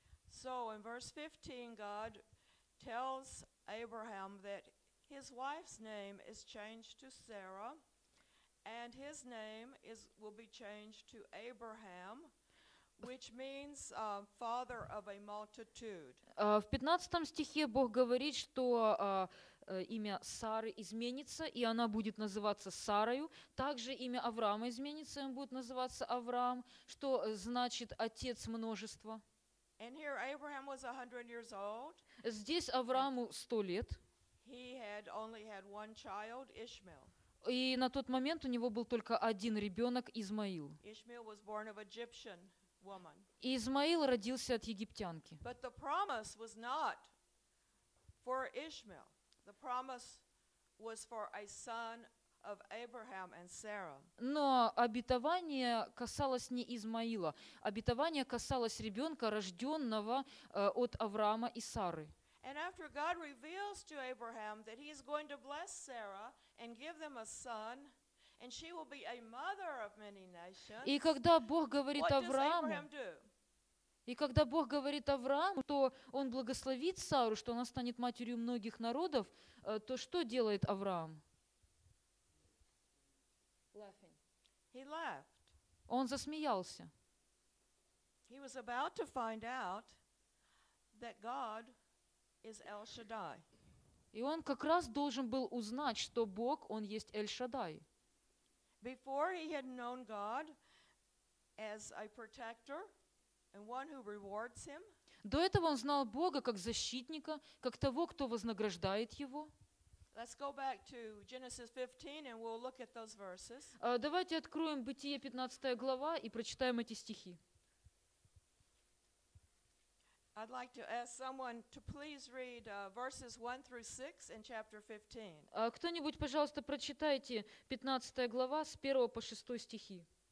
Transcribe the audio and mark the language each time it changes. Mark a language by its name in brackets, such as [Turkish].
[English] So in verse 15, God tells Abraham that his wife's name is changed to Sarah, and his name is will be changed to Abraham, which means father of a multitude. [Russian] В 15 стихе Бог говорит, что имя Сары изменится, и она будет называться Сарою. Также имя Авраама изменится, и он будет называться Авраам, что значит отец множества. [English] And here Abraham was 100 years old. [Russian] Здесь Аврааму 100 лет. [English] He had only had one child, Ishmael. [Russian] И на тот момент у него был только один ребенок, Измаил. [English] Ishmael was born of Egyptian woman. [Russian] Измаил родился от египтянки. [English] But the promise was not for Ishmael. The promise was for a son of Abraham and Sarah. [Russian] Но обетование касалось не Измаила. Обетование касалось ребенка, рожденного от Авраама и Сары. [English] And after God reveals to Abraham that he is going to bless Sarah and give them a son, and she will be a mother of many nations. [Russian] И когда Бог говорит Аврааму, [English] what does Abraham do? [Russian] И когда Бог говорит Аврааму, что он благословит Сару, что она станет матерью многих народов, то что делает Авраам? [English] He laughed. [Russian] Он засмеялся. [English] He was about to find out that God is El-Shaddai. [Russian] И он как раз должен был узнать, что Бог, он есть Эль-Шаддай. [English] Before he had known God as a protector and one who rewards him. [Russian] До этого он знал Бога как защитника, как того, кто вознаграждает его. [English] Let's go back to Genesis 15 and we'll look at those verses. [Russian] Давайте откроем Бытие 15 глава и прочитаем эти стихи. [English] I'd like to ask someone to please read verses 1 through 6 in chapter 15. [Russian] Кто-нибудь, пожалуйста, прочитайте 15 глава с 1 по 6 стихи.